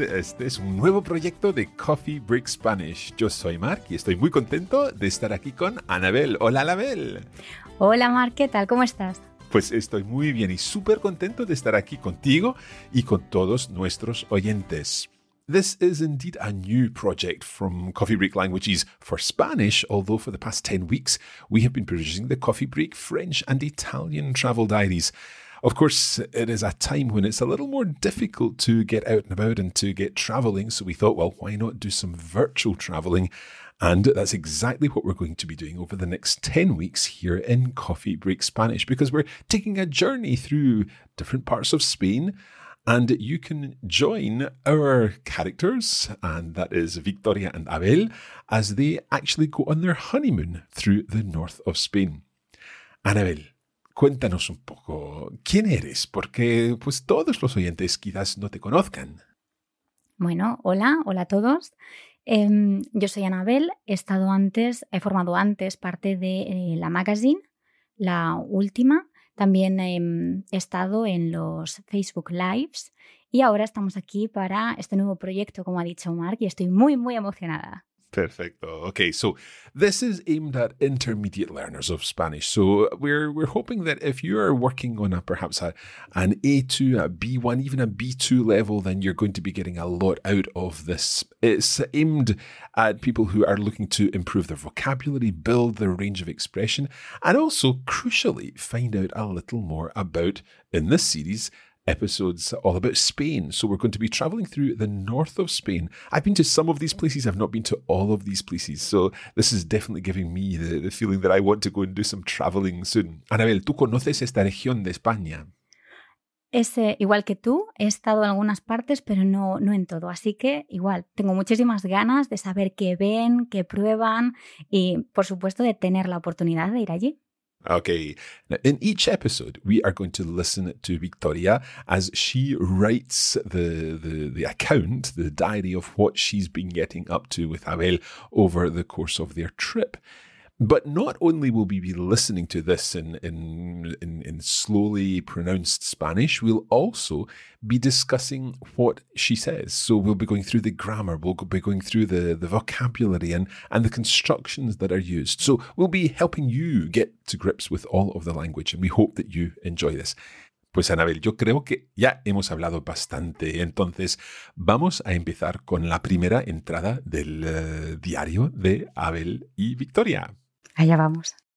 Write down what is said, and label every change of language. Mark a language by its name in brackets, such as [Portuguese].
[Spanish] Este es un nuevo proyecto de Coffee Break Spanish. Yo soy Marc y estoy muy contento de estar aquí con Anabel. Hola, Anabel. Hola, Marc. ¿Qué tal? ¿Cómo estás? Pues estoy muy bien y súper contento de estar aquí contigo y con todos nuestros oyentes. [English] This is indeed a new project from Coffee Break Languages for Spanish, although for the past 10 weeks we have been producing the Coffee Break French and Italian Travel Diaries. Of course, it is a time when it's a little more difficult to get out and about and to get travelling, so we thought, well, why not do some virtual travelling? And that's exactly what we're going to be doing over the next 10 weeks here in Coffee Break Spanish, because we're taking a journey through different parts of Spain, and you can join our characters, and that is Victoria and Abel, as they actually go on their honeymoon through the north of Spain. [Spanish] Anabel, cuéntanos un poco, ¿quién eres? Porque pues todos los oyentes quizás no te conozcan. Bueno, hola, hola a todos. Yo soy Anabel, he formado antes parte de la magazine, la última. También he estado en los Facebook Lives y ahora estamos aquí para este nuevo proyecto, como ha dicho Marc, y estoy muy, muy emocionada. Perfecto. [English] Okay, so this is aimed at intermediate learners of Spanish. So we're hoping that if you are working on an A2, a B1, even a B2 level, then you're going to be getting a lot out of this. It's aimed at people who are looking to improve their vocabulary, build their range of expression, and also, crucially, find out a little more about, in this series, episodes all about Spain. So we're going to be traveling through the north of Spain. I've been to some of these places, I've not been to all of these places. So this is definitely giving me the feeling that I want to go and do some traveling soon. [Spanish] Anabel, ¿tú conoces esta región de España? Igual que tú, he estado en algunas partes, pero no en todo. Así que igual, tengo muchísimas ganas de saber qué ven, qué prueban y, por supuesto, de tener la oportunidad de ir allí. [English] Okay, now in each episode, we are going to listen to Victoria as she writes the account, the diary of what she's been getting up to with Abel over the course of their trip. But not only will we be listening to this in slowly pronounced Spanish, we'll also be discussing what she says. So we'll be going through the grammar, we'll be going through the vocabulary and the constructions that are used. So we'll be helping you get to grips with all of the language, and we hope that you enjoy this. [Spanish] Pues Anabel, yo creo que ya hemos hablado bastante. Entonces, vamos a empezar con la primera entrada del diario de Abel y Victoria. Allá vamos.